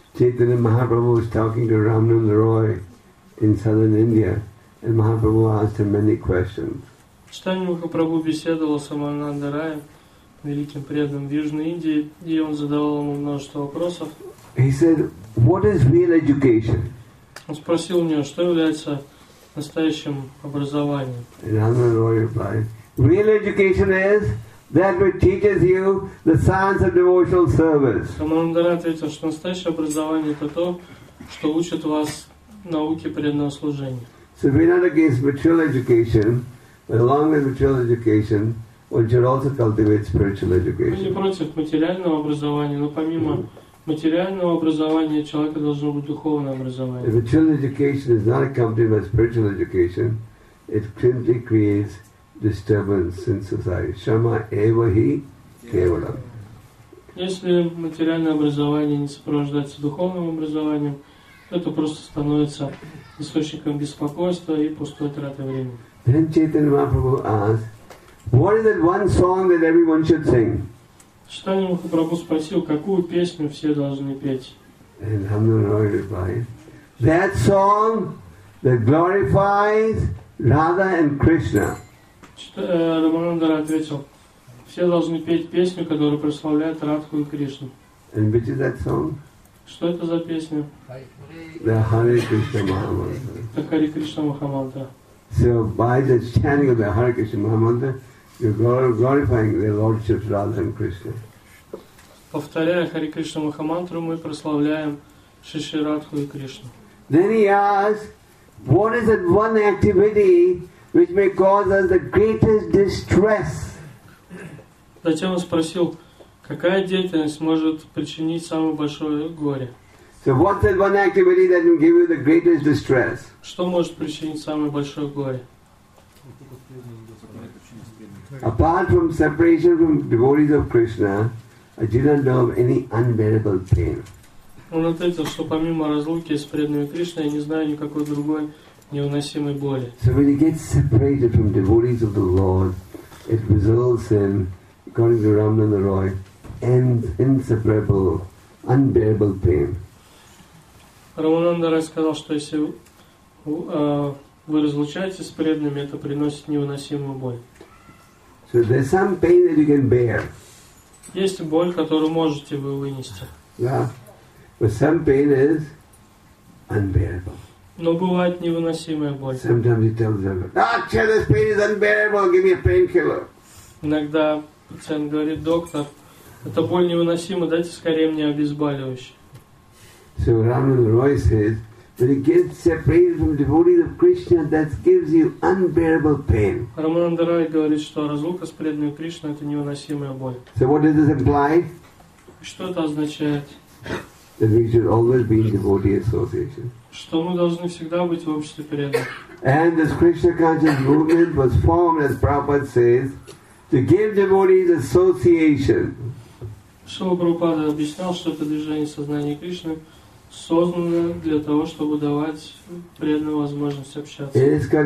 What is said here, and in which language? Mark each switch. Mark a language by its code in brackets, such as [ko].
[en] Chaitanya Mahaprabhu was talking to Ramananda Roy in southern India, and Mahaprabhu asked him many questions. [ru] Chaitanya Mahaprabhu беседовал с Амананда Раем, великим преданным в Южной Индии, и он задавал ему множество вопросов. [en] He said, "What is real education?" [ru] Он спросил у него, что является настоящим образованием. [en] And Ramananda Roy replied, "Real education is that which teaches you the science of devotional service." [ru] Ramananda ответил, что настоящее образование это то, что учит вас науке преданного служения. [en] So we're not against material education, but along with material education, one should also cultivate spiritual education. [ru] Мы не против материального образования, но помимо материального образования человека должно быть духовное образование. [en] If material education is not accompanied by spiritual education, it simply creates disturbance in society. [sa] Shama evahi kevalam. [ru] Если материальное образование не сопровождается духовным образованием, то это просто становится источником беспокойства и пустой траты времени. [en] Then Chaitanya Mahaprabhu asked, "What is that one song that everyone should sing?" [ru] Chaitanya Mahaprabhu спросил, какую песню все должны петь. [en] And Ramananda Roy replied, "That song that glorifies Radha and Krishna." [ru] Рамананда ответил, все должны петь песню, которая прославляет Радху и Кришну. [en] And which is that song? [ru] Что это за песня? [en] The Hare Krishna Mahamantra. The Hare Krishna Mahamantra. So by the chanting of the Hare Krishna Mahamantra, you're glorifying the Lordship Radha and Krishna. [ru] Повторяя Хари Кришна Махамантру, мы прославляем Шри Шри Радху и Кришну. [en] Then he asked, "What is that one activity which may cause us the greatest distress?" [ru] Затем он спросил, какая деятельность может причинить самое большое горе? [en] So what's that one activity that will give you the greatest distress? [ru] Что может причинить самое большое горе? [en] Apart from separation from devotees of Krishna, I didn't know of any unbearable pain. [ru] Он ответил, что помимо разлуки с преданными Кришной, я не знаю никакой другой невыносимой боли. [en] So when you get separated from devotees of the Lord, it results in, according to Ramananda Roy, inseparable, unbearable pain. [ru] Рамананда Рай сказал, что если вы разлучаетесь с преданными, это приносит невыносимую боль. [en] So there's some pain that you can bear. [ru] Есть боль, которую можете вы вынести. [en] Yeah. But some pain is unbearable. [ru] Но бывает невыносимая боль. [en] Sometimes you tell them, this pain is unbearable, give me a painkiller. [ru] Иногда пациент говорит, доктор, эта боль невыносима, дайте скорее мне обезболивающее. [en] So Ramananda Roy says, when you get separated from devotees of Krishna, that gives you unbearable pain. [ru] Рамананда Рай говорит, что разлука с преданными Кришной это невыносимая боль. [en] So what does this imply? [ru] Что это означает? [en] That we should always be in devotee association. [ru] Что мы должны всегда быть в обществе преданных. [en] And this Krishna conscious movement was formed, as Prabhupada says, to give devotees association. [ru] Шрила Прабхупада объяснял, что это движение сознания Кришны создано для того, чтобы давать преданным возможность общаться.